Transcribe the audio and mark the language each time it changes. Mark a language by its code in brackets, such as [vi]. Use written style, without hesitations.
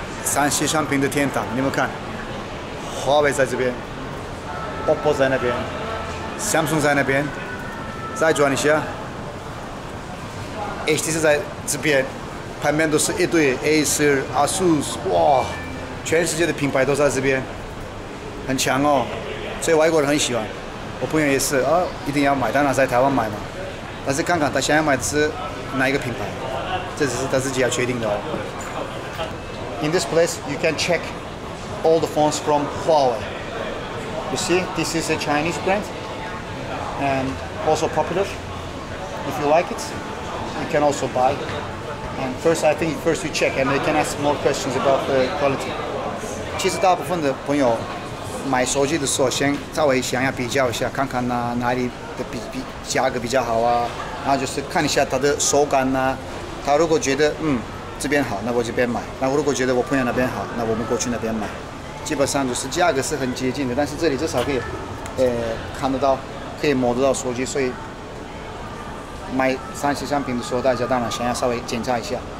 [zh] 三西商品的天堂，你们看，华为在这边 ，OPPO 在那边 ，Samsung 在那边，再转一下 ，HTC 在这边，旁边都是一堆 Acer、ASUS， 哇，全世界的品牌都在这边，很强哦，所以外国人很喜欢，我朋友也是啊，一定要买，当然在台湾买嘛，但是看看他想要买的是哪一个品牌，这只是他自己要确定的哦。 [en] In this place, you can check all the phones from Huawei. You see, this is a Chinese brand and also popular. If you like it, you can also buy. And first you check and you can ask more questions about the quality. [zh] 其实大部分的朋友买手机的时候，先稍微想要比较一下，看看哪里的比价格比较好啊，然后就是看一下它的手感啊，他如果觉得这边好，那我这边买。那我如果觉得我朋友那边好，那我们过去那边买。基本上就是价格是很接近的，但是这里至少可以，看得到，可以摸得到手机，所以买三 C 产品的时候，大家当然想要稍微检查一下。